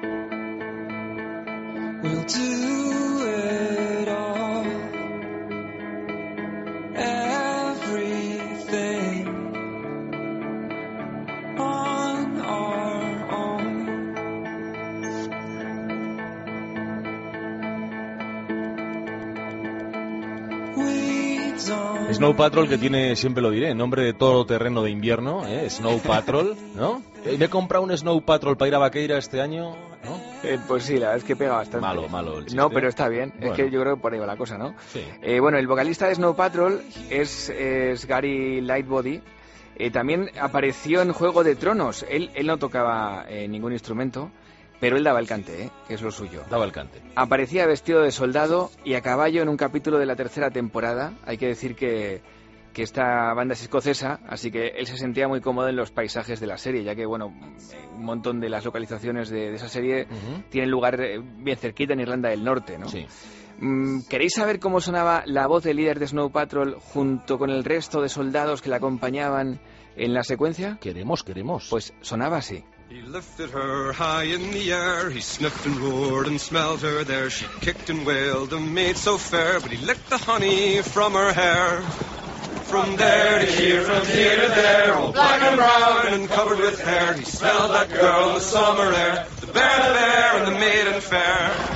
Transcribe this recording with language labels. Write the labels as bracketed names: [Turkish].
[English] We'll do it all, everything, on our own. We don't. [Spanish] Snow Patrol, que tiene, siempre lo diré, nombre de todo terreno de invierno, ¿eh? Snow Patrol, ¿no? ¿Me he comprado un Snow Patrol para ir a Baqueira este año? ¿No? Pues sí, la verdad es que pega bastante. Malo, malo el chiste. No, pero está bien. Bueno. Es que yo creo que por ahí va la cosa, ¿no? Sí. Bueno, el vocalista de Snow Patrol es Gary Lightbody. También apareció en Juego de Tronos. Él no tocaba ningún instrumento, pero él daba el cante, que es lo suyo. Daba el cante. Aparecía vestido de soldado y a caballo en un capítulo de la tercera temporada. Hay que decir que esta banda es escocesa, así que él se sentía muy cómodo en los paisajes de la serie, ya que, bueno, un montón de las localizaciones de esa serie tienen lugar bien cerquita en Irlanda del Norte, ¿no? Sí. ¿Queréis saber cómo sonaba la voz del líder de Snow Patrol junto con el resto de soldados que la acompañaban en la secuencia? Queremos, queremos. Pues sonaba así. [English] He lifted her high in the air, he sniffed and roared and smelled her there, she kicked and wailed and made so fair, but he licked the honey from her hair. From there to here, from here to there, all black and brown and covered with hair, he smelled that girl in the summer air, the bear and the maiden fair.